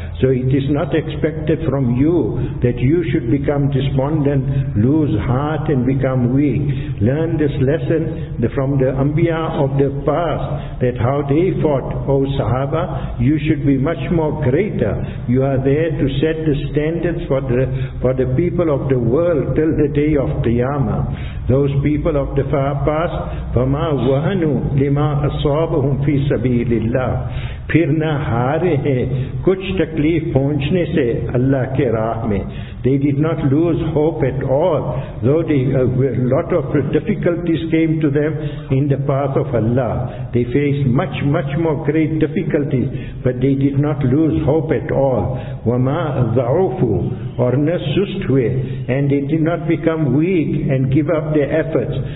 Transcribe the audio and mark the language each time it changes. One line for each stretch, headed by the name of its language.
English: So it is not expected from you that you should become despondent, lose heart and become weak. Learn this lesson from the Anbiya of the past, that how they fought. Oh Sahaba, you should be much more greater. You are there to set the standards for the people of the world till the day of Qiyamah. Those people of the far past,
Arabic: فَمَا وَهَنُوا لِمَا أَصَابَهُمْ فِي سَبِيلِ اللَّهِ,
Urdu: پھر نہ ہارے ہیں کچھ تکلیف پہنچنے سے اللہ کے راہ میں.
English: They did not lose hope at all, though a lot of difficulties came to them in the path of Allah. They faced much, much more great difficulties, but they did not lose hope at all.
Arabic: وَمَا ضَعُفُوا
English: or
Arabic: نَسُسْتْوِي,
English: and they did not become weak and give up their efforts.